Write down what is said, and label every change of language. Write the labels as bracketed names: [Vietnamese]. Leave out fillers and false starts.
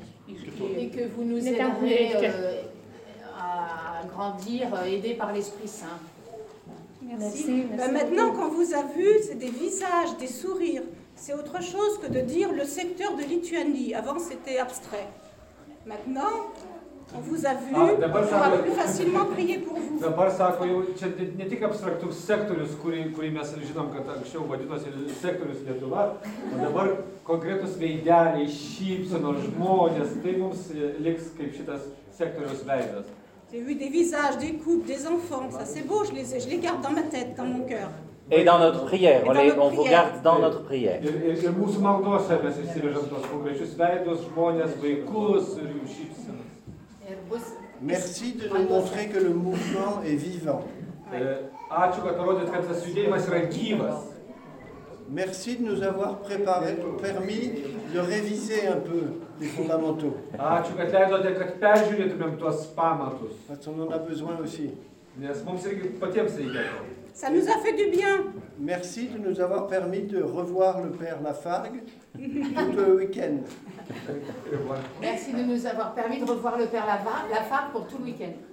[French] et que vous nous aiderez à grandir, aidés par l'Esprit Saint. Merci. Ben maintenant, quand vous avez vu, c'est des visages, des sourires. C'est autre chose que de dire le secteur de Lituanie. Avant, c'était abstrait. Maintenant, on vous a vu, on pourra plus facilement prier pour vous. [Lithuanian] Dabar sako, čia ne tik abstraktus sektorius, kurį mes žinom, kad anksčiau vadinosi sektorius Lietuva, o dabar konkretus veideliai, šypsenos, žmonės, tai mums liks kaip šitas sektorius veidas. [French] J'ai vu des visages, des couples, des enfants, ça c'est beau, je les garde dans ma tête, dans mon cœur. Et dans notre prière, on, les, on vous garde dans notre prière. [Lithuanian] Ir mūsų maldose mes įsivežam tos konkrečius veidus, žmonės, vaikus ir jų šypsenas. [French] Merci de nous montrer que le mouvement est vivant. [Lithuanian] Ačiū, kad parodėt, kad tas judėjimas yra gyvas. [French] Merci de nous avoir préparé, permis de réviser un peu les fondamentaux. [Lithuanian] Ačiū, kad leidote, kad peržiūrėtumėm tuos pamatus. [French] Parce qu'on en a besoin aussi. [Lithuanian] Nes mums irgi patiems reikia. [French] Ça nous a fait du bien. Merci de nous avoir permis de revoir le père Lafargue tout le week-end. Merci de nous avoir permis de revoir le père Lafargue pour tout le week-end.